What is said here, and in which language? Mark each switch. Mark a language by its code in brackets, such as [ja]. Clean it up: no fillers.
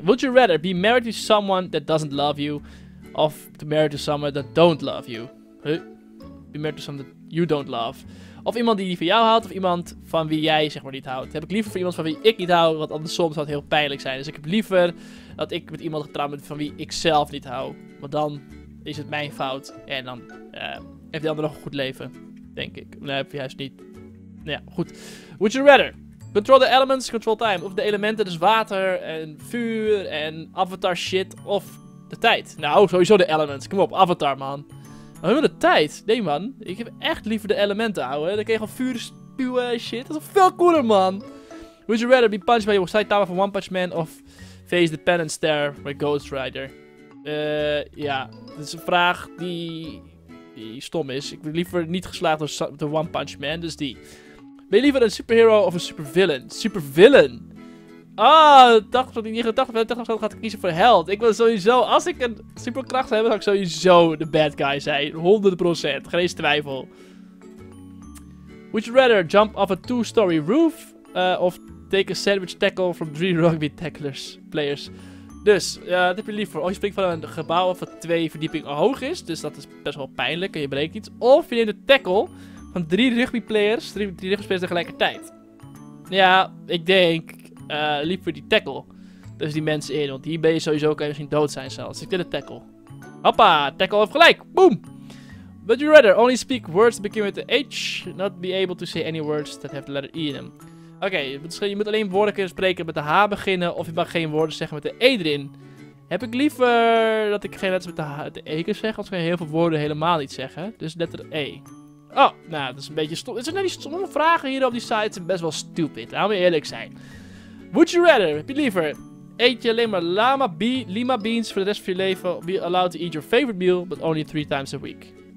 [en] Would you rather be married to someone that doesn't love you... Of to marry to someone that don't love you. Huh? Be married to someone that you don't love. [nl] Of iemand die van jou houdt. Of iemand van wie jij zeg maar niet houdt. Heb ik liever voor iemand van wie ik niet hou. Want andersom zou het heel pijnlijk zijn. Dus ik heb liever dat ik met iemand getrouwd ben van wie ik zelf niet hou. Want dan is het mijn fout. En dan heeft die ander nog een goed leven. Denk ik. Nee, heb je juist niet. Ja, goed. [en] Would you rather? Control the elements, control time. [nl] Of de elementen, dus water en vuur en avatar shit. Of... De tijd. Nou, sowieso de elements. Kom op, avatar, man. Maar hebben we de tijd? Nee, man. Ik heb echt liever de elementen, ouwe. Dan kun je gewoon vuur spuwen en shit. Dat is veel cooler, man. [en] Would you rather be punched by your Saitama from One Punch Man of face the pen and stare by Ghost Rider? [nl] Ja. Dat is een vraag die stom is. Ik ben liever niet geslaagd door de One Punch Man, dus die. Ben je liever een superhero of een supervillain? Supervillain! Ah, dacht dat ik niet gedacht had. Dacht dat ik gaat kiezen voor held. Ik wil sowieso, als ik een superkracht zou hebben, zou ik sowieso de bad guy zijn. 100%. Geen eens twijfel. [en] Would you rather jump off a two-story roof? Of take a sandwich tackle from 3 rugby tacklers players? [nl] Dus, wat heb je liever? Of je springt van een gebouw of 2 verdiepingen hoog is. Dus dat is best wel pijnlijk en je breekt iets. Of je neemt een tackle van 3 rugby players. 3 rugby spelers tegelijkertijd. Ja, ik denk... liep voor die tackle. Dus die mensen in. Want hier ben je sowieso ook misschien dood zijn zelfs. Ik deed een tackle. Hoppa. Tackle heeft gelijk. Boom. [en] Would you rather only speak words that begin with the H? Not be able to say any words that have the letter E in them. [nl] Oké. Okay, je moet alleen woorden kunnen spreken met de H beginnen. Of je mag geen woorden zeggen met de E erin. Heb ik liever dat ik geen letters met de E kan zeggen. Anders kan je heel veel woorden helemaal niet zeggen. Dus letter E. Oh. Nou, dat is een beetje stom. Er zijn net die stomme vragen hier op die site. Zijn best wel stupid. Laten we eerlijk zijn. [en] Would you rather, [nl] heb je liever, eet je alleen maar lima beans voor de rest van je leven, [en] be allowed to eat your favorite meal, but only 3 times a week?